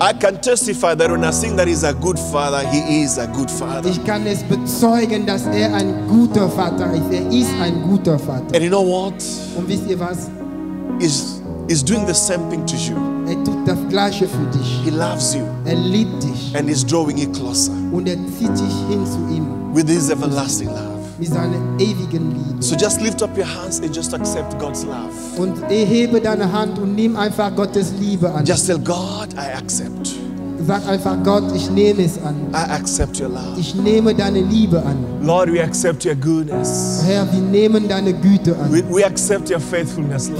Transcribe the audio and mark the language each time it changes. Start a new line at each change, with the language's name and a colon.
English: I can testify that when I sing that he's a good father, he is a good father.
German: Ich kann es bezeugen, dass er ein guter Vater ist. Er ist ein guter Vater.
English: And you know what?
German: Und wisst ihr was?
English: He's doing the same thing to you.
German: Er tut das Gleiche für dich.
English: He loves you.
German: Er liebt dich.
English: And he's drawing you closer.
German: Und er zieht dich hin zu ihm.
English: With his everlasting love.
German: Mit seiner ewigen Liebe.
English: So just lift up your hands and just accept God's love.
German: Und erhebe deine Hand und nimm einfach Gottes Liebe an.
English: Just tell God, I accept.
German: Sag einfach Gott, ich nehme es an.
English: I accept your love.
German: Ich nehme deine Liebe an.
English: Lord, we accept your goodness.
German: Herr, wir nehmen deine Güte an.
English: We accept your faithfulness, Lord.